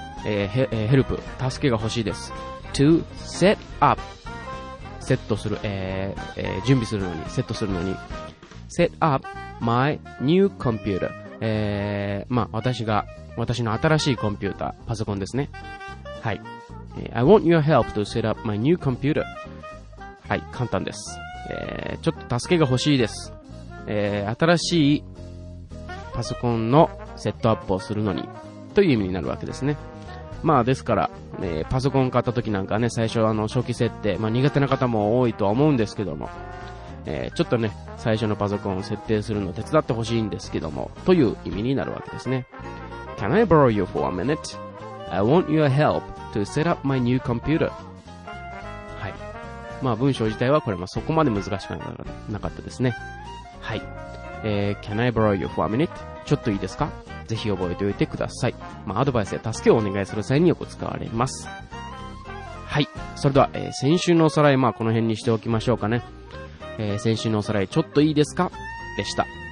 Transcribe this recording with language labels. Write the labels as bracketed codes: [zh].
[ja] ヘルプ、助けが欲しいです。 [en] To set up. [ja] セットする、準備するのに、セットするのに。 [en] Set up my new computer. [ja] まあ、私の新しいコンピューター、パソコンですね。はい。 [en] I want your help to set up my new computer. [ja] はい、簡単です。ちょっと助けが欲しいです。新しいパソコンのセットアップをするのに。という意味になるわけですね。まあですから、パソコン買った時なんかね、最初初期設定、まあ苦手な方も多いとは思うんですけども、ちょっとね、最初のパソコンを設定するのを手伝ってほしいんですけども、という意味になるわけですね。 [en] Can I borrow you for a minute? I want your help to set up my new computer. [ja] はい。まあ文章自体はこれもそこまで難しくなかったですね。 [en] はい。Can I borrow you for a minute? [ja] ちょっといいですか? ぜひ覚えておいてください。まあ、アドバイスや助けをお願いする際によく使われます。はい。それでは、先週のおさらい、まあ、この辺にしておきましょうかね。先週のおさらい、ちょっといいですか?でした。